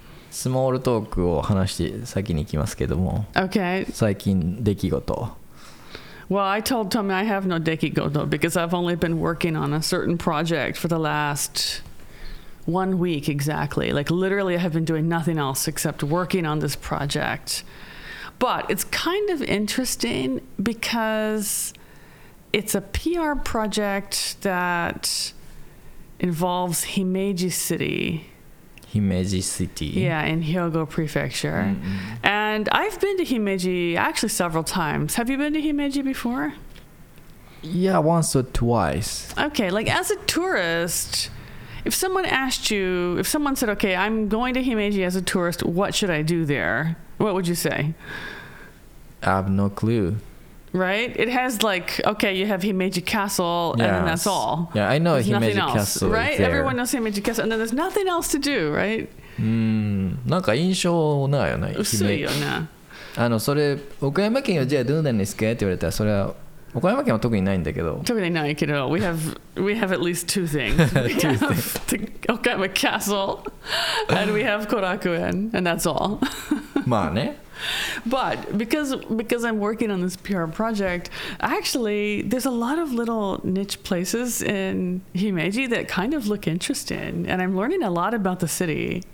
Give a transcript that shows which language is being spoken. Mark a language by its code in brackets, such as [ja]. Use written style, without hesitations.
[ja] スモールトークを話して先に行きますけども、 [en] okay. [ja] 最近出来事。 [en] Well, I told Tommy I have no dekigoto because I've only been working on a certain project for the last 1 week exactly. Like literally I have been doing nothing else except working on this project. But it's kind of interesting because it's a PR project that involves Himeji City. Himeji City. Yeah, in Hyogo Prefecture. Mm-hmm. And I've been to Himeji actually several times. Have you been to Himeji before? Yeah, once or twice. Okay, like as a tourist, if someone asked you, if someone said, okay, I'm going to Himeji as a tourist, what should I do there? What would you say? I have no clue. Right? It has like, okay, you have Himeji Castle, yes. And then that's all. Yeah, I know there's Himeji Castle. Nothing else, right? Everyone knows Himeji Castle, and then there's nothing else to do, right? [ja] なんか印象ないよね。薄いよね。あの、それ、岡山県はじゃあどうなんですかって言われたら、それは、岡山県は特にないんだけど。特にないけど、 [en] we have at least two things. two we have the Okayama Castle, and we have Korakuen, and that's all. [ja] まあね。 [en] But because I'm working on this PR project, actually, there's a lot of little niche places in Himeji that kind of look interesting, and I'm learning a lot about the city.